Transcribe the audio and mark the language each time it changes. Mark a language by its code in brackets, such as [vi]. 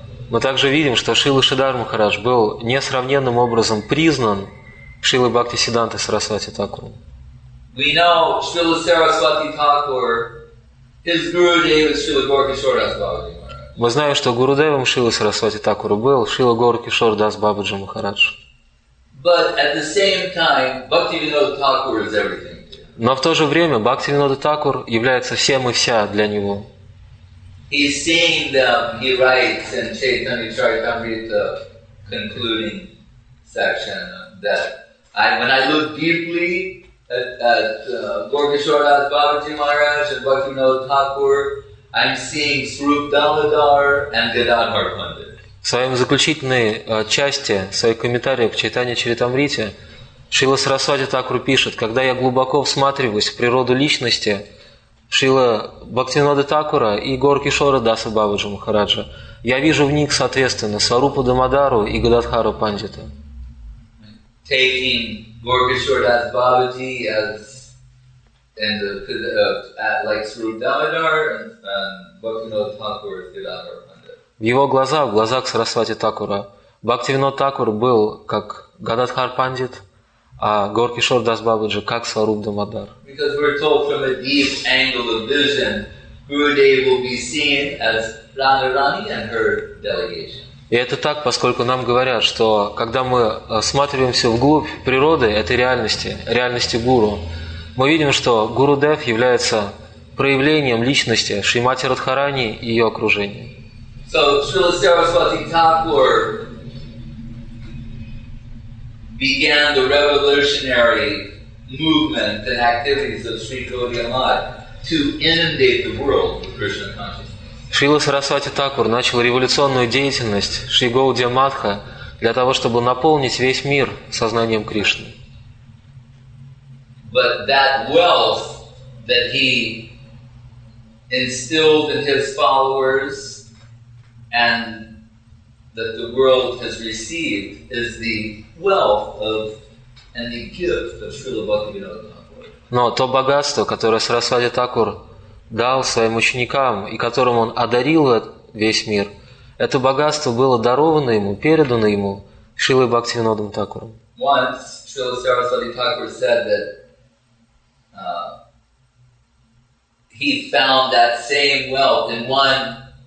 [ru] Мы также видим, что Шрила Шридхар Махарадж был несравненным образом признан Шрилой Бхактисиддханта Сарасвати Такур. [en] We know Srila Saraswati Thakur, his Guru Dev is Srila Gaur Kishore Das Babaji Maharaj. [ru] Мы знаем, что Гуру Девом Шрилы Сарасвати Такура был Шрила Гаур Кишор Дас Бабаджи Махарадж. [en] But at the same time, Bhaktivinoda Thakur is everything. [ru] Но в то же время Бхактивинода Такур является всем и вся для него. [en] He's seeing them, he writes in Chaitanya Charitamrita concluding section that when I look deeply at Gaur Kishore Das Babaji Maharaj and Bhaktivinoda Thakur, I'm seeing Swarup Damodar and Gadadhar Pandit. [ru] В своем заключительной части, в своей комментарии к Чайтанье Чаритамрите, Шрила Сарасвати Такур пишет: «Когда я глубоко всматриваюсь в природу личности Шрила Бхактивинода Такура и Гаур Кишора Даса Бабаджи Махараджа, я вижу в них, соответственно, Сварупа Дамодара и Гададхару Пандита». [en] Taking Gaur Kishore Das Babaji as in the like Swarup Damodar and Bhaktivinoda Thakur as Gadadhar Pandit. [ru] В его глазах, в глазах Сарасвати Такура, Бхактивинода Такур был как Гададхар Пандит, а Гаур Кишор Дас Бабаджи как Сварупа Дамодар. [en] Because we're told from a deep angle of vision, Gurudev will be seen as Radharani and her delegation. [ru] И это так, поскольку нам говорят, что когда мы всматриваемся вглубь природы этой реальности, реальности Гуру, мы видим, что Гурудев является проявлением личности Шримати Радхарани и ее окружения. [en] So Srila Saraswati Thakur began the revolutionary movement and activities of Sri Gaudiya Math to inundate the world with Krishna consciousness. [ru] Srila Saraswati Thakur начал революционную деятельность Sri Gaudiya Matha для того, чтобы наполнить весь мир сознанием Кришны. [en] But that wealth that he instilled in his followers and that the world has received is the wealth of and the gift of Srila Bhaktivinoda Thakur. [ru] Но то богатство, которое Сарасвати Такур дал своим ученикам и которым он одарил весь мир, это богатство было даровано ему, передано ему Шрилой Бхактивинодом Такуром. [en] Once Srila Saraswati Thakur said that he found that same wealth in one